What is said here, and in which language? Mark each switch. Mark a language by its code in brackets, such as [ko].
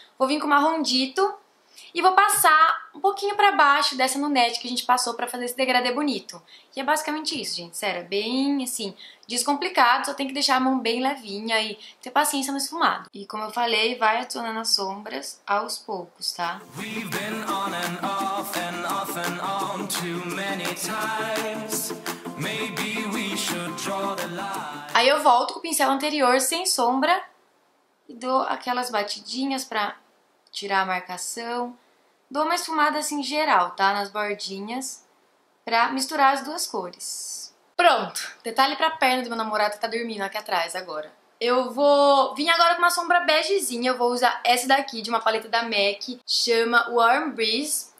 [pt] Vou vir com o Marrom Dito e vou passar um pouquinho pra baixo dessa Nunette que a gente passou pra fazer esse degradê bonito. E é basicamente isso, gente, sério, bem, assim, descomplicado, só tem que deixar a mão bem levinha e ter paciência no esfumado. E como eu falei, vai adicionando as sombras aos poucos, tá? [en] We've been on and off and off and on too many times. Maybe we should draw the line. [pt] Aí eu volto com o pincel anterior sem sombra e dou aquelas batidinhas pra tirar a marcação. Dou uma esfumada assim geral, tá? Nas bordinhas, pra misturar as duas cores. Pronto! Detalhe pra perna do meu namorado que tá dormindo aqui atrás agora. Eu vou vir agora com uma sombra begezinha. Eu vou usar essa daqui, de uma paleta da MAC, chama Warm Breeze.